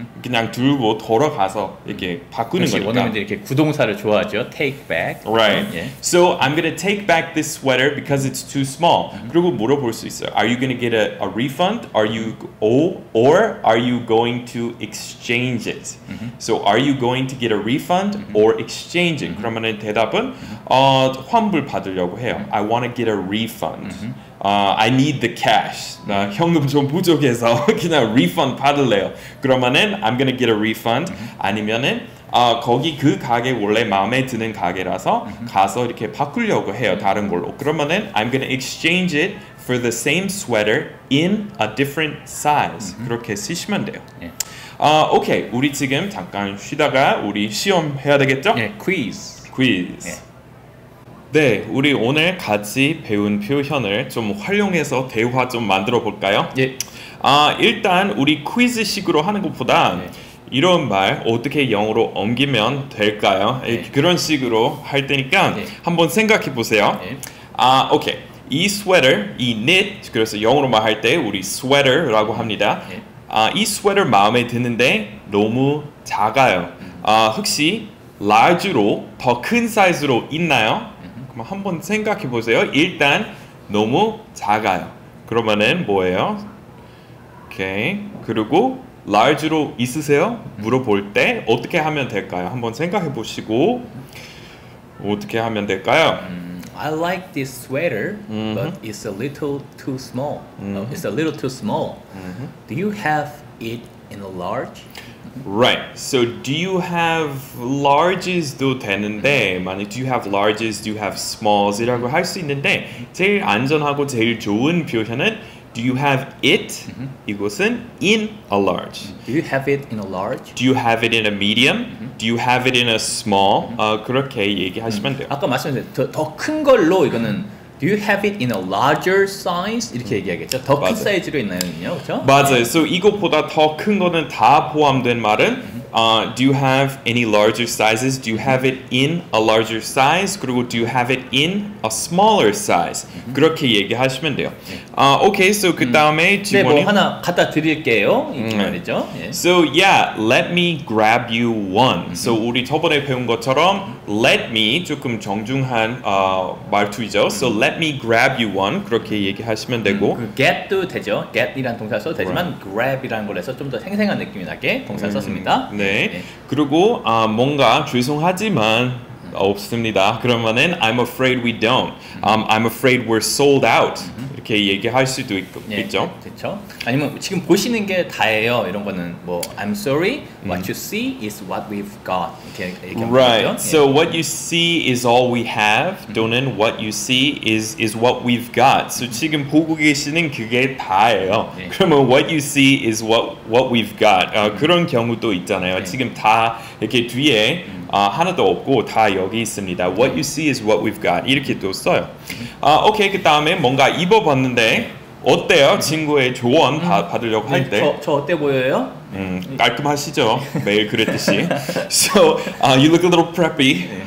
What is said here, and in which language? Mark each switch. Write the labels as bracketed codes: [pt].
[ko] 그냥 들고 돌아가서 이렇게 바꾸는 거니까. 역시 원어민들이 이렇게 구동사를 좋아하죠. [en] Take back. Right. Yeah. So I'm gonna take back this sweater because it's too small. [ko] 그리고 물어볼 수 있어요. [en] Are you gonna get a refund? Are you or are you going to exchange it? So are you going to get a refund or exchange it? [ko] 그러면 대답은 환불 받으려고 해요. [en] I want to get a refund. I need the cash. [ko] 나 현금 좀 부족해서 그냥 refund 받을래요. 그러면은 [en] I'm gonna get a refund. [ko] 아니면은 거기 그 가게 원래 마음에 드는 가게라서 가서 이렇게 바꾸려고 해요. 다른 걸로. 그러면은 [en] I'm gonna exchange it for the same sweater in a different size. [ko] 그렇게 쓰시면 돼요. 오케이. 우리 지금 잠깐 쉬다가 우리 시험 해야 되겠죠? 네. 퀴즈. 퀴즈. 네, 우리 오늘 같이 배운 표현을 좀 활용해서 대화 좀 만들어 볼까요? 예. 아, 일단 우리 퀴즈식으로 하는 것보다 네. 이런 말 어떻게 영어로 옮기면 될까요? 네. 그런 식으로 할 테니까 네. 한번 생각해 보세요. 네. 아, 오케이. 이 스웨터, 이 knit, 그래서 영어로 말할 때 우리 sweater라고 합니다. 네. 아, 이 스웨터 마음에 드는데 너무 작아요. 아, 혹시 large로 더 큰 사이즈로 있나요? 한번 생각해 보세요. 일단 너무 작아요. 그러면은 뭐예요? 오케이. 그리고 large로 있으세요? 물어볼 때 어떻게 하면 될까요? 한번 생각해 보시고 어떻게 하면 될까요? [en] I like this sweater, but it's a little too small. It's a little too small. Do you have it in a large? Right. So, do you have larges도 되는데, [ko] 만약 [en] do you have larges, do you have smalls이라고 [ko] 할 수 있는데, 제일 안전하고 제일 좋은 표현은 [en] do you have it? [ko] 이것은 in a large. [en] Do you have it in a large? Do you have it in a medium? Do you have it in a small? [ko] 그렇게 얘기하시면 돼요. 아까 말씀하셨는데 더 큰 걸로 이거는 [en] Do you have it in a larger size? [ko] 이렇게 얘기하겠죠? 더 큰 사이즈로 있나요? 그렇죠? 맞아요. [en] So [ko] 이것보다 더 큰 거는 다 포함된 말은 [en] Do you have any larger sizes? Do you have it in a larger size? [ko] 그리고 [en] Do you have it in a smaller size? [ko] 그렇게 얘기하시면 돼요. 아, 오케이. So 그 다음에 네, 뭐 하나 갖다 드릴게요. 이렇게 말이죠. 예. [en] So yeah, let me grab you one. So [ko] 우리 저번에 배운 것처럼 [en] let me [ko] 조금 정중한 말투이죠. [en] So let me grab you one. [ko] 그렇게 얘기하시면 되고 그 get도 되죠. get이란 동사 써도 되지만 right. grab이란 걸 해서 좀 더 생생한 느낌이 나게 동사 썼습니다. 네. 네. 그리고 뭔가 죄송하지만 없습니다. [en] 그러면은 I'm afraid we don't. I'm afraid we're sold out. [ko] 이렇게 얘기할 수도 있겠죠. 네, 그렇죠. 아니면 지금 보시는 게 다예요. 이런 거는 뭐 [en] I'm sorry. What you see is what we've got. [ko] 이렇게 얘기하면 [en] right. [ko] 되죠. [en] So 예. what you see is all we have. 또는 what you see is what we've got. [ko] So 지금 보고 계시는 그게 다예요. 네. [en] 그러면 what you see is what we've got. [ko] 그런 경우도 있잖아요. 네. 지금 다 이렇게 뒤에 하나도 없고 다 여기 있습니다. [en] What you see is what we've got. [ko] 이렇게 또 써요. [en] 오케이. [ko] 그 다음에 뭔가 입어봤는데 어때요? 친구의 조언 받으려고 할 때. 저 어때 보여요? 깔끔하시죠? 매일 그랬듯이. [en] So, you look a little preppy.